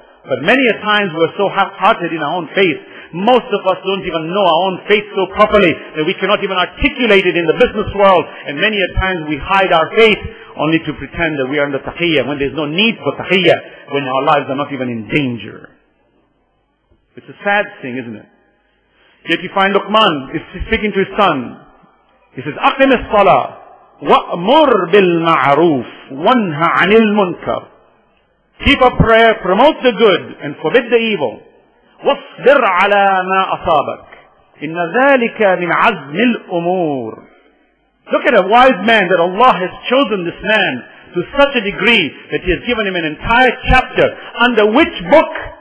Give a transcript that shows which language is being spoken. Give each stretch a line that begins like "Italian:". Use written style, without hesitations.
English: But many a times we are so half-hearted in our own faith. Most of us don't even know our own faith so properly that we cannot even articulate it in the business world. And many a times we hide our faith only to pretend that we are under taqiyya when there's no need for taqiyya, when our lives are not even in danger. It's a sad thing, isn't it? Yet you find Luqman is speaking to his son. He says,
Arabic: أَقِمِ الصَّلَاةِ وَأْمُرْ بِالْمَعْرُوفِ وَانْهَ عَنِ الْمُنْكَرِ.
English: Keep up prayer, promote the good, and forbid the evil.
Arabic: وَصْبِرْ عَلَى مَا أَصَابَكَ إِنَّ ذَلِكَ مِنْ عَزْمِ الْأُمُورِ.
English: Look at a wise man that Allah has chosen this man to such a degree that He has given him an entire chapter under which book?